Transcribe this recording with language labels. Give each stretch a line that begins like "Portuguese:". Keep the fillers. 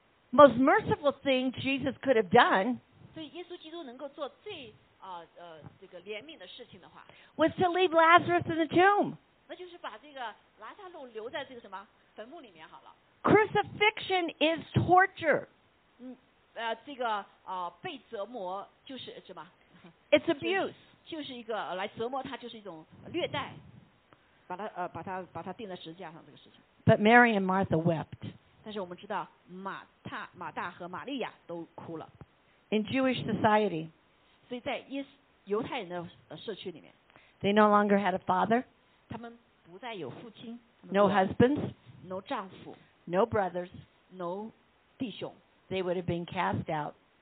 English: most merciful thing Jesus could have done. done，
Chinese: 所以耶稣基督能够做最啊呃,呃这个怜悯的事情的话
English: ，was to leave Lazarus in the tomb。
Chinese: 那就是把这个拉萨路留在这个什么坟墓里面好了。
English: Crucifixion is torture。
Chinese: 嗯，呃，这个啊、呃、被折磨就是什么？
English: It's abuse。
Chinese: 就是一个来折磨他，就是一种虐待，把他呃把他把他钉在石架上这个事情。
English: But Mary and Martha wept。
Chinese: 但是我们知道马大马大和玛利亚都哭了。
English: In Jewish society。
Chinese: 所以在耶犹太人的社区里面。
English: They no longer had a father。
Chinese: 他们不再有父亲。
English: No husbands。 no 丈夫。No brothers。 no 弟兄。 They would have been cast out。